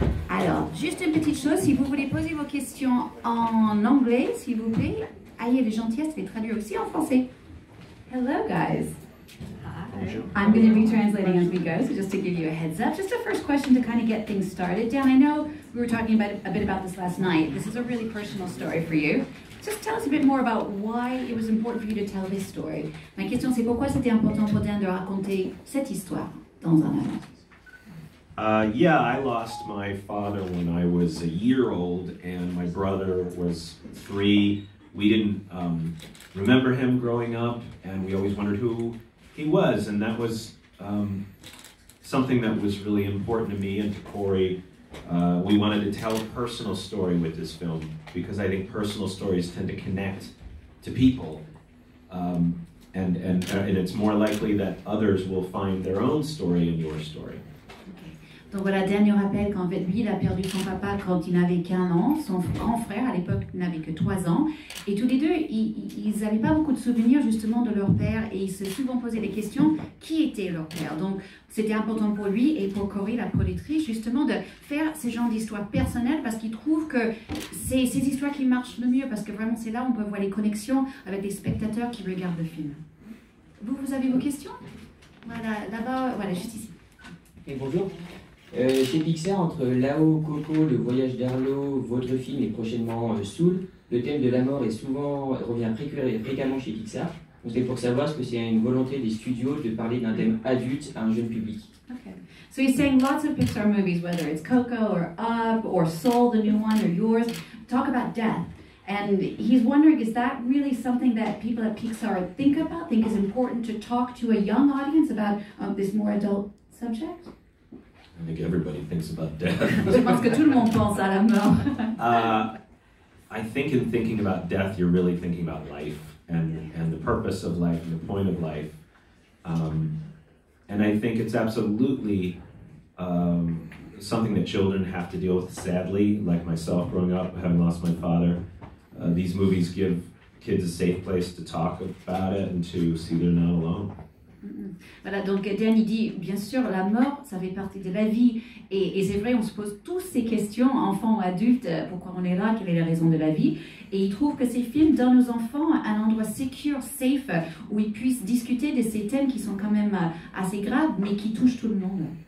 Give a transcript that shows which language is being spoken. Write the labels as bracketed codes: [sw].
[fr] Alors, juste une petite chose, si vous voulez poser vos questions en anglais, s'il vous plaît, ayez les gentillesses de les traduire aussi en français. [en] Hello, guys. I'm going to be translating as we go, so just to give you a heads up. Just a first question to kind of get things started. Dan, I know we were talking about a bit about this last night. This is a really personal story for you. Just tell us a bit more about why it was important for you to tell this story. My question [fr] c'est pourquoi c'était important pour Dan de raconter cette histoire dans un an. [en] Yeah, I lost my father when I was a year old, and my brother was three. We didn't remember him growing up, and we always wondered who he was, and that was something that was really important to me and to Corey. We wanted to tell a personal story with this film because I think personal stories tend to connect to people, and it's more likely that others will find their own story in your story. Okay. [fr] Donc voilà, dernier rappel qu'en fait, lui, il a perdu son papa quand il n'avait qu'un an. Son grand frère, à l'époque, n'avait que trois ans. Et tous les deux, ils n'avaient pas beaucoup de souvenirs justement de leur père et ils se souvent posaient des questions, qui était leur père? Donc c'était important pour lui et pour Corey, la productrice, justement de faire ce genre d'histoire personnelle parce qu'ils trouvent que c'est ces histoires qui marchent le mieux parce que vraiment c'est là où on peut voir les connexions avec les spectateurs qui regardent le film. Vous avez vos questions? Voilà, d'abord, voilà, juste ici. Et bonjour. Chez Pixar, entre Lao, Coco, Le Voyage d'Arlo, votre film et prochainement Soul, le thème de la mort revient fréquemment chez Pixar. Donc c'est pour savoir ce que c'est une volonté des studios de parler d'un thème adulte à un jeune public. [en] Okay. So he's saying lots of Pixar movies, whether it's Coco or Up or Soul, the new one, or yours, talk about death. And he's wondering, is that really something that people at Pixar think about, think is important to talk to a young audience about this more adult subject? I think everybody thinks about death. [fr] Je pense que tout le monde pense à la mort. [en] I think in thinking about death, you're really thinking about life and the purpose of life and the point of life. And I think it's absolutely something that children have to deal with, sadly, like myself growing up, having lost my father. These movies give kids a safe place to talk about it and to see they're not alone. [fr] Voilà, donc Dan il dit, bien sûr, la mort, ça fait partie de la vie. Et c'est vrai, on se pose toutes ces questions, enfants ou adultes, pourquoi on est là, quelle est la raison de la vie. Et il trouve que ces films donnent aux enfants un endroit secure, safe, où ils puissent discuter de ces thèmes qui sont quand même assez graves, mais qui touchent tout le monde.